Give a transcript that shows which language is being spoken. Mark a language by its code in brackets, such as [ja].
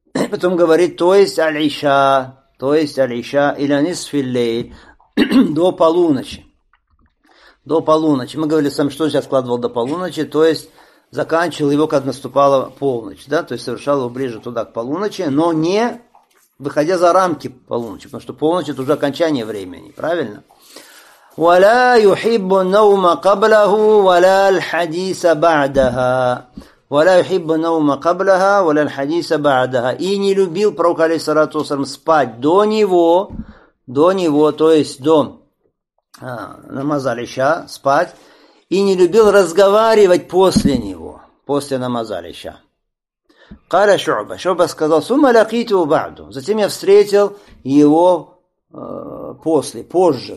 [ru] Потом говорит, то есть аль-иша, то есть [ar] аль-иша иля нисфиллейль, [ru] до полуночи. До полуночи. Мы говорили с вами, что сейчас откладывал до полуночи, то есть заканчивал его, когда наступала полночь, да, то есть совершал его ближе туда к полуночи, но не выходя за рамки полуночи, потому что полночь это уже окончание времени, правильно? [ar] وَلَا يُحِبُّ النَّوْمَ قَبْلَهُ وَلَا الْحَدِيثَ بَعْدَهَا وَلَا يُحِبُّ النَّوْمَ قَبْلَهَا وَلَا الْحَدِيثَ بَعْدَهَا. [ru] И не любил пророк, алейхиссалату вассалям, спать до него, до него, то есть до намаза Алиша, спать, и не любил разговаривать после него, после намаза Алиша. Каля Шуба. Шуба сказал, [ar] сумма лякиту баду. [ru] Затем я встретил его после, позже.